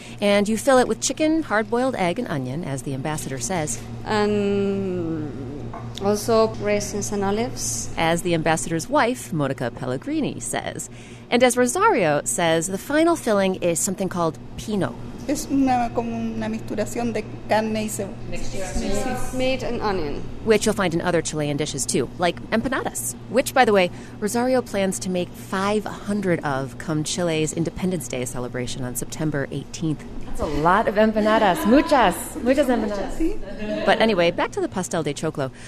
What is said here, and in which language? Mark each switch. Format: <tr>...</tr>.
<en>And you fill it with chicken, hard-boiled egg, and onion, as the ambassador says. And also raisins and olives. As the ambassador's wife, Monica Pellegrini, says. And as Rosario says, the final filling is something called pino.</en> <es>Es una, como una misturación de carne y cebolla.</es> <en>Meat and onion. Which you'll find in other Chilean dishes too, like empanadas. Which, by the way, Rosario plans to make 500 of come Chile's Independence Day celebration on September 18th. That's a lot of empanadas.</en> <es>Muchas. Muchas empanadas.</es> <en>But anyway, back to the pastel de choclo.</en>